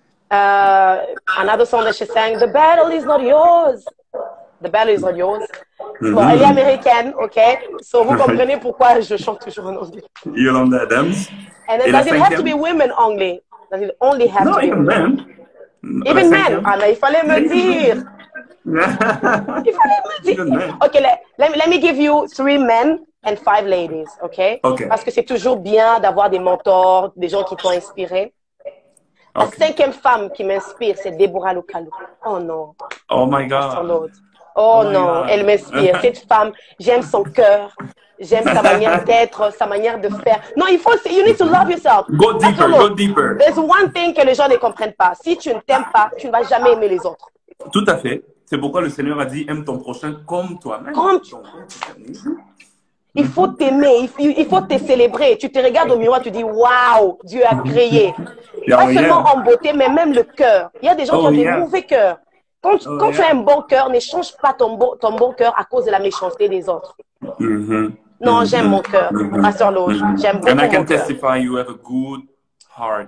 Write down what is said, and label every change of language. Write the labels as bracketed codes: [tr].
[en] Another song that she sang, The Battle is Not Yours. The Battle is Not Yours. Mm-hmm. [fr] Bon, elle est américaine, ok? So, vous comprenez pourquoi je chante toujours en anglais. [en] Yolanda Adams. And then, does it have to be women only? Does it only have to be women? Men. Even men. [fr] Ah, mais il fallait me dire. [en] Il fallait me dire. Ok, let me give you 3 men and 5 ladies, ok? Ok. [fr] Parce que c'est toujours bien d'avoir des mentors, des gens qui t'ont inspiré. Okay. La cinquième femme qui m'inspire, c'est Deborah Lukalu. Oh non. [en] Oh my God. [fr] Son autre. Oh non, God. Elle m'inspire. Cette femme, j'aime son cœur. J'aime sa manière d'être, sa manière de faire. Non, il faut, [en] you need to love yourself. Go deeper, go deeper. There's one thing [fr] que les gens ne comprennent pas. Si tu ne t'aimes pas, tu ne vas jamais aimer les autres. Tout à fait. C'est pourquoi le Seigneur a dit, aime ton prochain comme toi-même. Comme toi. Il faut t'aimer, il faut te célébrer. Tu te regardes au miroir, tu dis, waouh, Dieu a créé. Pas seulement en beauté, mais même le cœur. Il y a des gens qui ont des mauvais cœurs. Quand tu as un bon cœur, n'échange pas ton bon cœur à cause de la méchanceté des autres. Mm-hmm. Non, j'aime mon cœur, ma sœur Loge. J'aime beaucoup mon cœur. [en] And I can testify you have a good heart.